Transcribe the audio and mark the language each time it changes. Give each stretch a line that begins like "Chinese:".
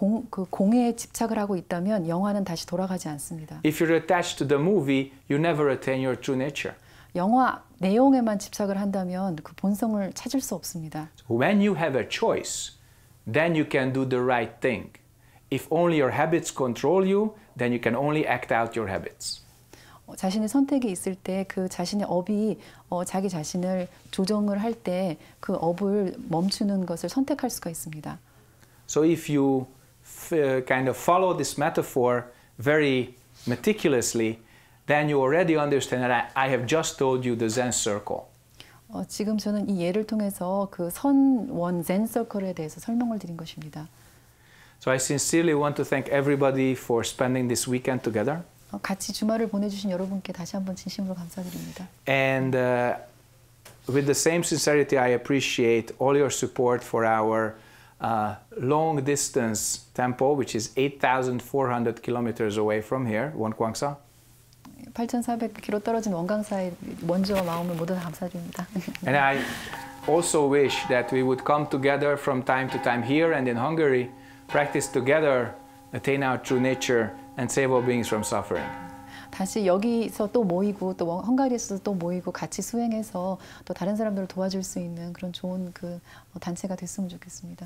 Korean: 그 공에 집착을 하고 있다면 영화는 다시 돌아가지 않습니다.
English: If you're attached to the movie, you never attain your true nature.
Korean: 영화 내용에만 집착을 한다면 그 본성을 찾을 수 없습니다.
English: When you have a choice, then you can do the right thing. If only your habits control you, then you can only act out your habits.
Korean: 자신의 선택이 있을 때 그 자신의 업이 자기 자신을 조정을 할 때 그 업을 멈추는 것을 선택할 수가 있습니다.
English: So if you kind of follow this metaphor very meticulously, then you already understand that I have just told you the Zen circle.
Korean: 지금 저는 이 예를 통해서 그 선원 Zen circle에 대해서 설명을 드린 것입니다.
English: So I sincerely want to thank everybody for spending this weekend together.
Korean: 같이 주말을 보내주신 여러분께 다시 한번 진심으로 감사드립니다.
English: And with the same sincerity, I appreciate all your support for our long distance temple, which is 8,400 kilometers away from here, Wonkwangsa.
Korean: 8,400km 떨어진 원광사의 먼저 마음을 모두 다 감사드립니다.
English: And I also wish that we would come together from time to time here and in Hungary, practice together, attain our true nature, and save all beings from suffering.
Korean: 다시 여기서 또 모이고 또 헝가리에서 또 모이고 같이 수행해서 또 다른 사람들을 도와줄 수 있는 그런 좋은 그 단체가 됐으면 좋겠습니다.